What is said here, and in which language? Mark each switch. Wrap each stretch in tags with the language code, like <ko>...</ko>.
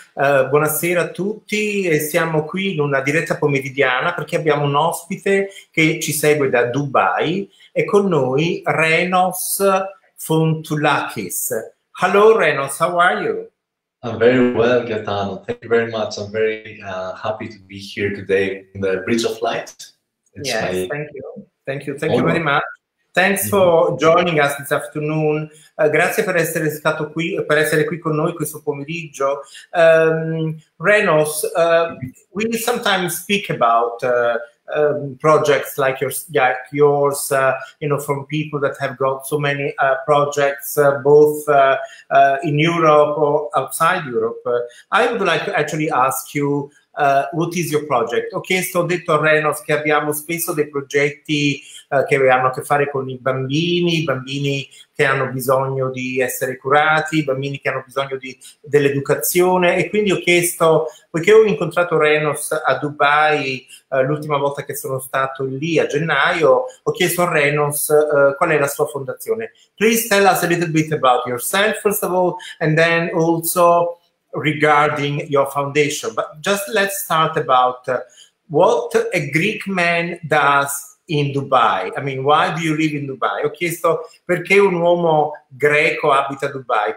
<it>Buonasera a tutti, siamo qui in una diretta pomeridiana perché abbiamo un ospite che ci segue da Dubai e con noi Renos Fontoulakis.</it> <en>Hello Renos, how are you? I'm very well, Gaetano. Thank you very much. I'm very happy to be here today in the Bridge of Light. It's Yes, my thank you. Thank you. Thank you very honor. much. Thanks for joining us this afternoon.</en> <it>Grazie per essere stato qui, per essere qui con noi questo pomeriggio.</it> <en>Renos, we sometimes speak about projects like yours, from people that have got so many projects, both in Europe or outside Europe. I would like to actually ask you, what is your project?</en> <it>Ho chiesto, ho detto a Renos che abbiamo spesso dei progetti che hanno a che fare con i bambini, bambini che hanno bisogno di essere curati, bambini che hanno bisogno dell'educazione. E quindi ho chiesto, poiché ho incontrato Renos a Dubai l'ultima volta che sono stato lì a gennaio, ho chiesto a Renos qual è la sua fondazione.</it> <en>Please tell us a little bit about yourself, first of all, and then also regarding your foundation, but just let's start about what a Greek man does in Dubai. I mean, why do you live in Dubai?</en> <it>Ho chiesto perché un uomo greco abita a Dubai.</it>